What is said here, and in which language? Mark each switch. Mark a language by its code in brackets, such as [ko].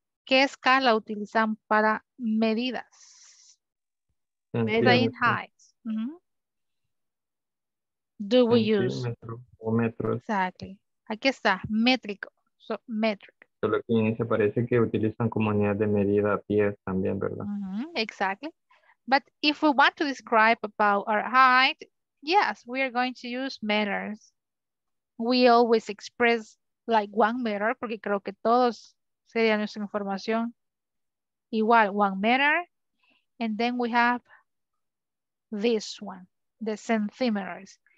[es] ¿Qué escala utilizan para medidas? [en] Measuring height. Do we use? [es] Metro. [en] Exactly. [es] Aquí está, métrico. [en] So, metric. [es] Solo que en ese parece que utilizan como unidad de medida pies también, ¿verdad? [en] Exactly. But if we want to describe about our height, yes, we are going to use meters. We always express like 1 meter, [es] porque creo que todos sería nuestra información. Igual, 1 meter. [en] And then we have this one, the centimeters.